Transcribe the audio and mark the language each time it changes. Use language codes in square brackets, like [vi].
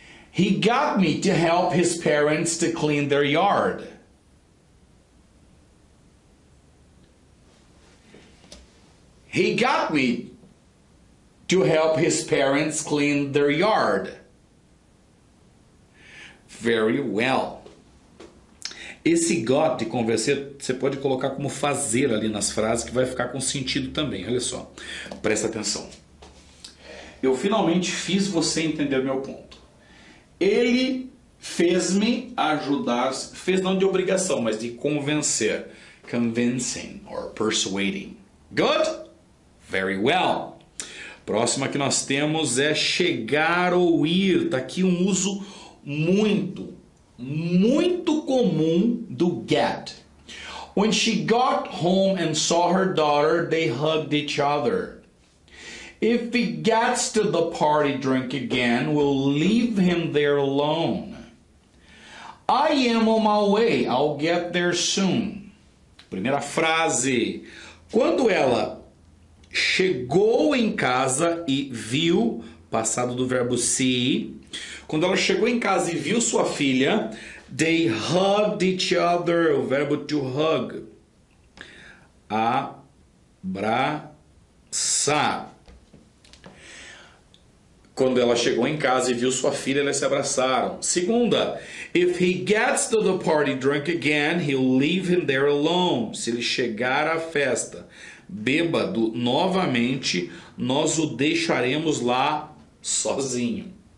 [en] He got me to help his parents to clean their yard. He got me to help his parents clean their yard. Very well. [pt] Esse got de convencer, você pode colocar como fazer ali nas frases, que vai ficar com sentido também. Olha só, presta atenção. Eu finalmente fiz você entender meu ponto. Ele fez-me ajudar, fez não de obrigação, mas de convencer. [en] Convincing or persuading. Good? Very well. [pt] Próxima que nós temos é chegar ou ir. Está aqui um uso muito, muito comum do get. [en] When she got home and saw her daughter, they hugged each other. If he gets to the party drink again, we'll leave him there alone. I am on my way. I'll get there soon. [pt] Primeira frase. Quando ela chegou em casa e viu, passado do verbo see. Quando ela chegou em casa e viu sua filha, [en] they hugged each other, [pt] o verbo to hug. Abraçar. Quando ela chegou em casa e viu sua filha, elas se abraçaram. Segunda, [en] if he gets to the party drunk again, he'll leave him there alone. [pt] Se ele chegar à festa bêbado novamente, nós o deixaremos lá sozinho.